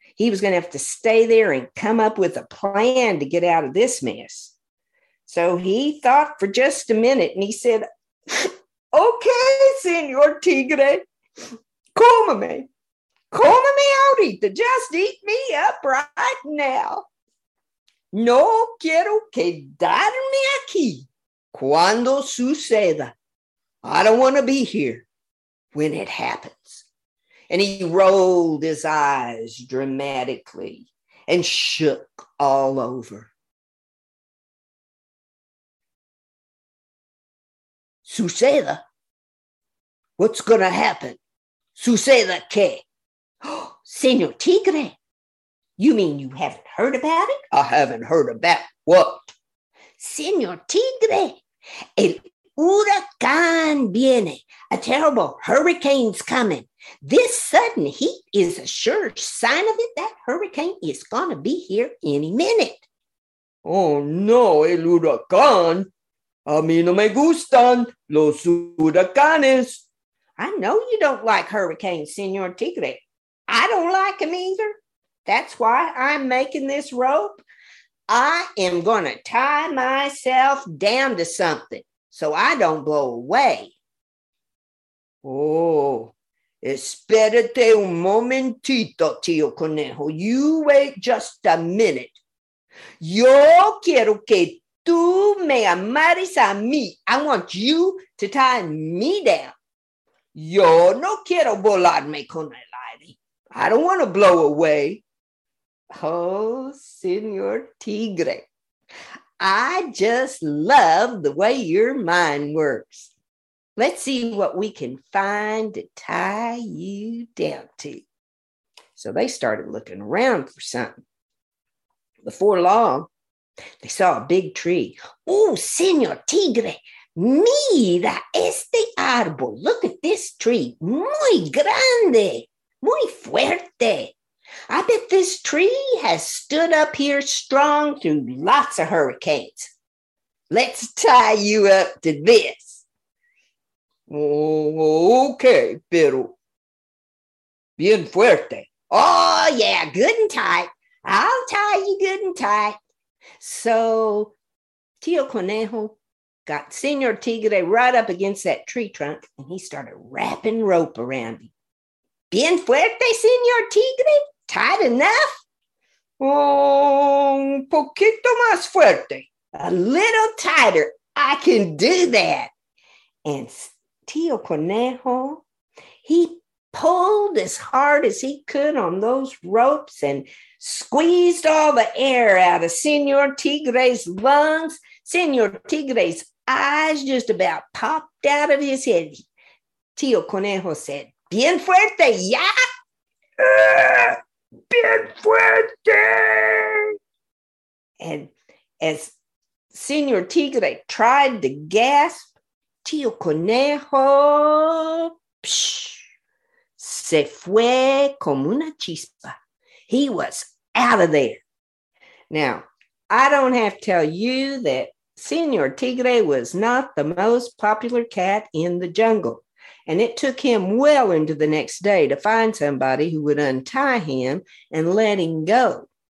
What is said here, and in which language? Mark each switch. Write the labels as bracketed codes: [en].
[en] He was going to have to stay there and come up with a plan to get out of this mess. So he thought for just a minute and he said, okay, Señor Tigre, [es] cómame. Cómame ahorita. [en] Just eat me up right now. [es] No quiero quedarme aquí. Cuando suceda, [en] I don't want to be here when it happens. And he rolled his eyes dramatically and shook all over. [es] Suceda? [en] What's going to happen? [es] Suceda que? [en] Oh, Señor Tigre, you mean you haven't heard about it? I haven't heard about what? [es] Señor Tigre. El huracán viene. [en] A terrible hurricane's coming. This sudden heat is a sure sign of it. That hurricane is going to be here any minute. [es] Oh, no, el huracán. A mí no me gustan los huracanes. [en] I know you don't like hurricanes, Señor Tigre. I don't like them either. That's why I'm making this rope. I am going to tie myself down to something so I don't blow away. [es] Oh, espérate un momentito, Tio Conejo. [en] You wait just a minute. [es] Yo quiero que Tú me amarás a mí. [en] I want you to tie me down. [es] Yo no quiero volarme con el aire. [en] I don't want to blow away. Oh, Señor Tigre. I just love the way your mind works. Let's see what we can find to tie you down to. So they started looking around for something. Before long, they saw a big tree. [es] Oh, Señor Tigre, mira este árbol. [en] Look at this tree. [es] Muy grande, muy fuerte. [en] I bet this tree has stood up here strong through lots of hurricanes. Let's tie you up to this. [es] Oh, okay, pero bien fuerte. [en] Oh, yeah, good and tight. I'll tie you good and tight. So, Tio Conejo got Señor Tigre right up against that tree trunk, and he started wrapping rope around him. [es] Bien fuerte, Señor Tigre? [en] Tight enough? [es] Oh, un poquito más fuerte. [en] A little tighter. I can do that. And Tio Conejo, he pulled as hard as he could on those ropes and squeezed all the air out of Señor Tigre's lungs. Señor Tigre's eyes just about popped out of his head. Tio Conejo said, [es] bien fuerte, ya? Bien fuerte! [en] And as Señor Tigre tried to gasp, Tio Conejo, [es] se fue como una chispa. [en] He was out of there. Now, I don't have to tell you that Señor Tigre was not the most popular cat in the jungle. And it took him well into the next day to find somebody who would untie him and let him go.